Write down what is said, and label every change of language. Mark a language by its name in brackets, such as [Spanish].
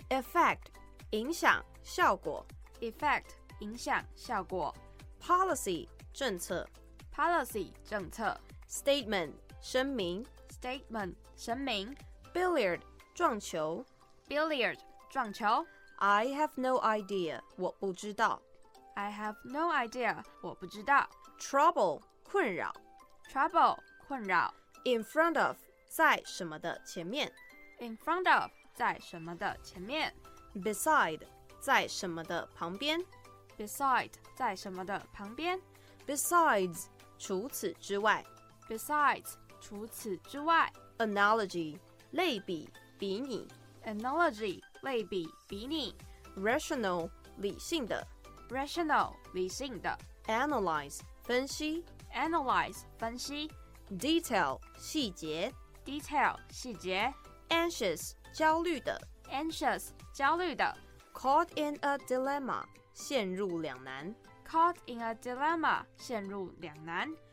[Chinese] Effect 影响、效果。 Effect 影响、效果。 Policy 政策。 Policy 政策。 Statement 声明。 Statement 声明。 Billiard 撞球。 Billiard 撞球。 [English] I have no idea, [Chinese] 我不知道。 [English] I have no idea, [Chinese] 我不知道。 Trouble, 困扰。 Trouble, 困扰。 [English] In front of, [Chinese] 在什么的前面。 [English] In front of, [Chinese] 在什么的前面。 Beside, 在什么的旁边。 Beside, 在什么的旁边。 Besides, 除此之外。 Besides, 除此之外。 Analogy, 类比、比拟。 Analogy,类比、比拟。 Rational 理性的。 Rational 理性的。 Analyze 分析。 Analyze 分析。 Detail 细节。 Detail 细节。 Anxious 焦虑的。 Anxious 焦虑的。 [English] Caught in a dilemma [Chinese] 陷入两难。 [English] Caught in a dilemma [Chinese] 陷入两难。